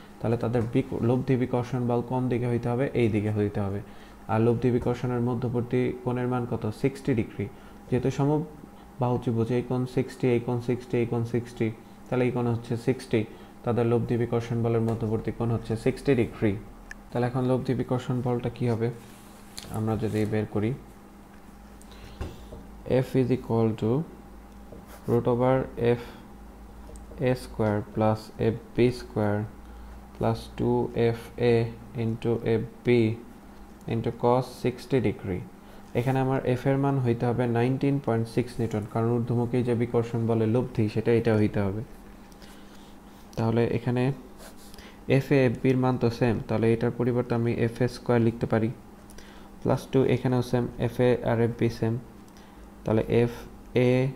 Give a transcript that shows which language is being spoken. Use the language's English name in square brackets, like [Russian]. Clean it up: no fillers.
[Bangla] তাহলে তাদের লব্ধি বিকর্ষণ বল কোন দিকে হইতে হবে, এই দিকে হইতে হবে, আর লব্ধি বিকর্ষণের মধ্যবর্তী কোণের মান কত, 60 ডিগ্রি, যেহেতু সমবাহু ত্রিভুজ এই কোণ 60, এই কোণ 60, এই কোণ 60, তাহলে এই কোণ হচ্ছে 60, তাদের লব্ধি বিকর্ষণ বলের মধ্যবর্তী কোণ হচ্ছে 60 ডিগ্রি। তাহলে এখন লব্ধি বিকর্ষণ বলটা কী হবে আমরা যদি বের করি, [English] F is equal to root over F a square plus F b square plus 2F a into F b into cos 60 degree. [Bangla] এখানে আমার F এর মান হইতে হবে 19.6 নিউটন কারণ ঊর্ধ্বমুখী যে বিকর্ষণ বলে লব্ধি সেটা এটা হইতে হবে তাহলে এখানে F এ B এর মান তো সেম তাহলে এটার পরিবর্তে আমি F a স্কয়ার লিখতে পারি প্লাস 2 এখানেও same F a আর B same তাহলে F a